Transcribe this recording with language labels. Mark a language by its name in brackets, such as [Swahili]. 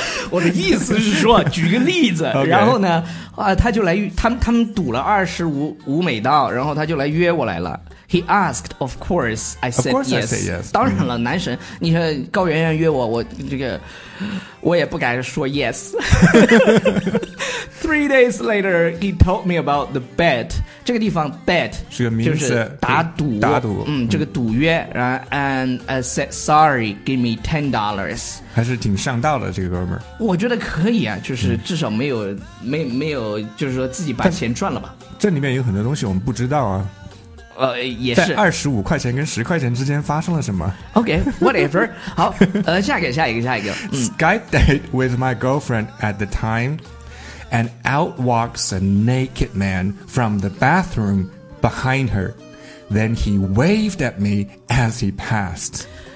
[Chinese] 我的意思是说举个例子。 [English] Okay. [Chinese] 然后呢他就来他们赌了25美刀，然后他就来约我来了。 [English] He asked, of course, I said yes. Of course I said yes. [Chinese] 当然了，男神，你说高圆圆约我，我这个我也不敢说 yes. [English] Three days later, he told me about the bet. [Chinese] 这个地方 bet 是个名词，就是打赌，打赌。这个赌约，然后 [English] and I said sorry, give me $10. [Chinese] 还是挺上道的这个哥们儿。我觉得可以啊，就是至少没有，就是说自己把钱赚了吧。这里面有很多东西我们不知道啊。也是在25块钱跟10块钱之间发生了什么 [English] ？Okay, whatever. [Chinese] 好，下一个。 [English] Skydate with my girlfriend at the time, and out walks a naked man from the bathroom behind her. Then he waved at me as he passed.